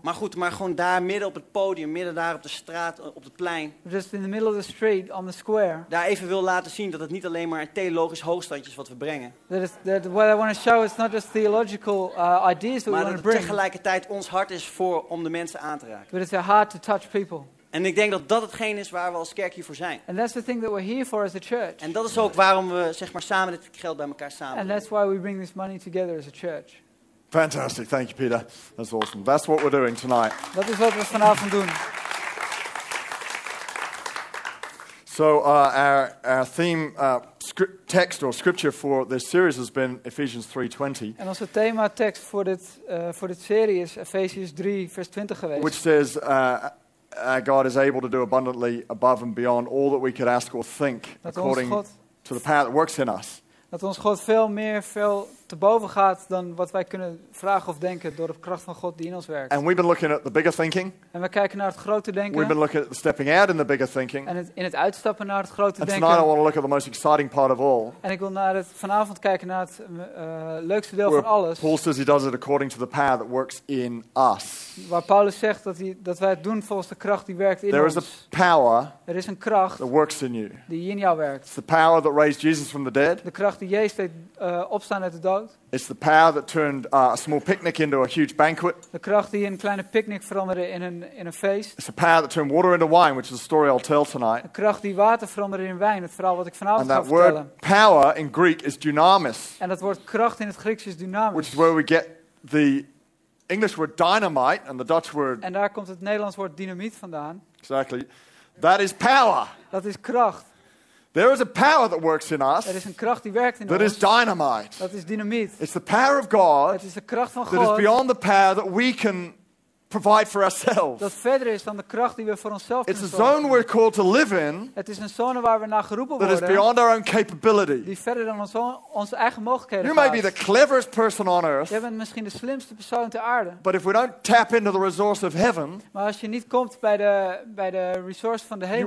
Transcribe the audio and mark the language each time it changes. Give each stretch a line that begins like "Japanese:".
Dutch: Maar goed, maar gewoon daar midden op het podium, midden daar op de straat, op het plein.
English: Just in the middle of the street, on the square.
Dutch: Daar even wil laten zien dat het niet alleen maar theologisch hoogstandje is wat we brengen.
English: That what I want to show is not just theological ideas that we want to bring.
Dutch: Maar tegelijkertijd ons hart is voor om de mensen aan te raken.
English: But it's a heart to touch people.
Dutch: En ik denk dat dat hetgeen is waar we als kerk hier voor zijn.
English: And that's the thing that we're here for as a church.
Dutch: En dat is ook waarom we zeg maar samen dit geld bij elkaar samen.
English: And that's why we bring this money together as a church. Fantastic, thank you, Peter. That's awesome. That's what we're doing tonight.
Dutch: Dat is wat we vanavond doen.
English: So our theme text or scripture for this series has been Ephesians 3:20.
Dutch: En onze thema tekst voor dit serie is Ephesians 3 vers 20 geweest.
English: Which says our God is able to do abundantly above and beyond all that we could ask or think according to the power that works in us.
Dutch: Dat ons God veel te boven gaat dan wat wij kunnen vragen of denken door de kracht van God die in ons werkt.
English: And we've been looking at the bigger thinking.
Dutch: En we kijken naar het grote denken.
English: We've been looking at the stepping out in the bigger thinking.
Dutch: En in het uitstappen naar het grote
English: and And tonight I want to look at the most exciting part of all.
Dutch: En ik wil vanavond kijken naar het leukste deel van alles.
English: Paul says he does it according to the power that works in us.
Dutch: Waar Paulus zegt dat wij het doen volgens de kracht die werkt in
English: there
Dutch: ons.
English: There is a power.
Dutch: Er is een kracht.
English: That works in you.
Dutch: Die in jou werkt.
English: It's the power that raised Jesus from the dead.
Dutch: De kracht die Jezus deed opstaan uit de dood.
English: It's the power that turned a small picnic into a huge banquet.
Dutch: De kracht die een kleine picnic veranderde in een feest.
English: It's the power that turned water into wine, which is the story I'll tell tonight.
Dutch: De kracht die water veranderde in wijn, het verhaal wat ik vanavond ga vertellen.
English: And that word power in Greek is dynamis.
Dutch: En dat woord kracht in het Grieks is dynamis.
English: Which is where we get the English word dynamite and the Dutch word.
Dutch: En daar komt het Nederlands woord dynamiet vandaan.
English: Exactly. That is power.
Dutch: Dat is kracht.
English: There is a power that works in us.
Dutch: Er is een kracht die werkt in
English: that
Dutch: ons.
English: Is dynamite.
Dutch: Dat is dynamiet.
English: It's the power of God.
Dutch: Het is de kracht van God.
English: That is beyond the power that we can provide for ourselves.
Dutch: Dat verder is dan de kracht die we voor onszelf kunnen zorgen.
English: It's a zone we're called to live in.
Dutch: Het is een zone waar we naar geroepen
English: that
Dutch: worden.
English: That is beyond our own capability.
Dutch: Die verder dan onze eigen mogelijkheden.
English: You may be the cleverest person on earth.
Dutch: Je bent misschien de slimste persoon ter aarde.
English: But if we don't tap into the resource of heaven,
Dutch: maar als je niet komt bij de resource van de hemel,